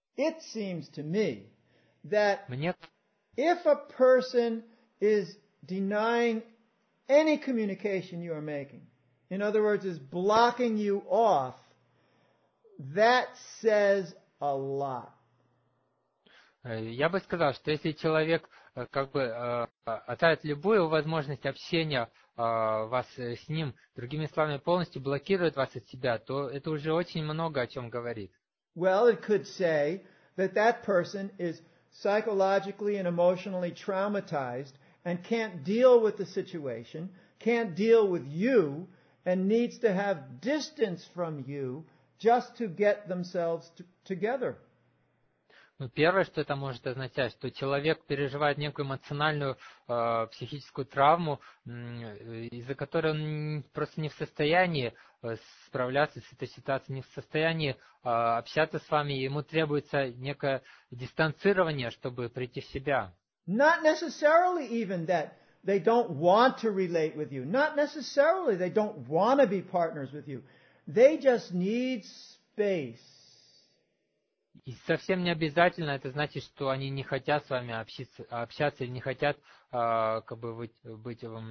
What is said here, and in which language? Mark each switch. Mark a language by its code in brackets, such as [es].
[en] It seems to me that if a person is denying any communication you are making, In other words, is blocking you off. That says a lot. [ru] Я бы сказал, что если человек как бы оставит любую возможность общения вас с ним, другими словами, полностью блокирует вас от себя, то это уже очень много о чем говорит. [en] Well, it could say that that person is psychologically and emotionally traumatized and can't deal with the situation, can't deal with you, and needs to have distance from you just to get themselves together. [ru] Ну, первое, что это может означать, что человек переживает некую эмоциональную, психическую травму, из-за которой он просто не в состоянии справляться с этой ситуацией, не в состоянии общаться с вами, и ему требуется некое дистанцирование, чтобы прийти в себя. [en] Not necessarily even that they don't want to relate with you. Not necessarily they don't want to be partners with you. They just need space. [ru] И совсем не обязательно это значит, что они не хотят с вами общаться или не хотят как бы быть.